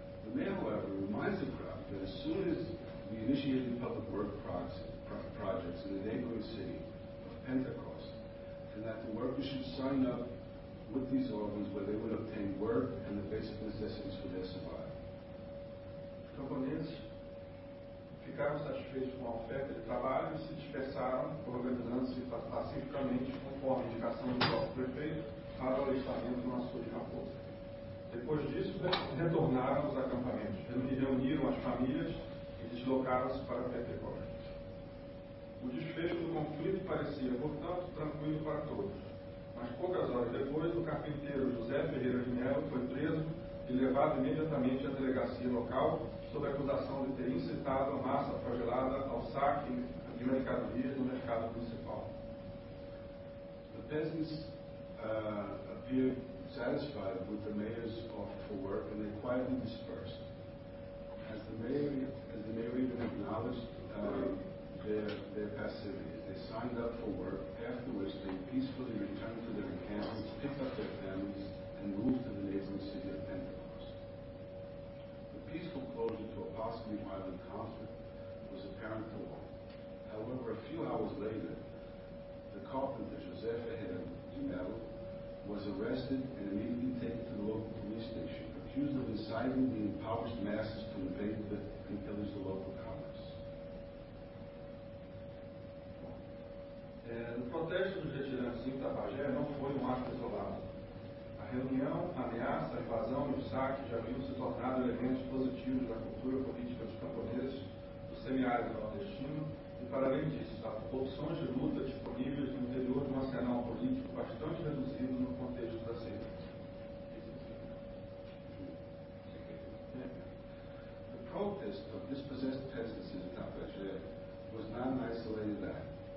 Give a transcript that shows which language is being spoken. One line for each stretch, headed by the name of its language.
English: The mayor, however, reminds the crowd that as soon as we initiated the public work projects in the neighboring city of Pentecost, and that the workers should sign up with these organs where they would obtain work and the basic necessities for their survival.
Portuguese: Camponeses ficaram satisfeitos com a oferta de trabalho e se dispersaram, organizando-se pacificamente, conforme a indicação do próprio prefeito, para o alistamento no açude Raposa. Depois disso, retornaram aos acampamentos, reuniram as famílias e deslocaram-se para Pentecostes. O desfecho do conflito parecia, portanto, tranquilo para todos. Mas poucas horas depois, o carpinteiro José Ferreira de Melo foi preso e levado imediatamente à delegacia local, sob a acusação de ter incitado a massa flagelada ao saque de mercadorias no mercado municipal.
English: The peasants appeared satisfied with the mayor's offer for work, and they quietly dispersed. As the mayor even acknowledged their passivity, they signed up for work, after which they peacefully returned to their encampments, picked up their families, and moved to the neighboring city of Pentecost. Peaceful closure to a possibly violent conflict was apparent to all. However, a few hours later, the carpenter, José Ferreira de Melo, was arrested and immediately taken to the local police station, accused of inciting the impoverished masses to invade and pillage the local commerce.
Portuguese: O protesto dos retirantes em Tabagé não foi um ato isolado. A reunião, a ameaça, a invasão e o saque já haviam se tornado elementos positivos da cultura política dos camponeses, do semiárido nordestino e, para além disso, há opções de luta disponíveis no interior de um arsenal político bastante reduzido no contexto da seita.
English: The protest of dispossessed peasants in Tapajé was not an isolated act.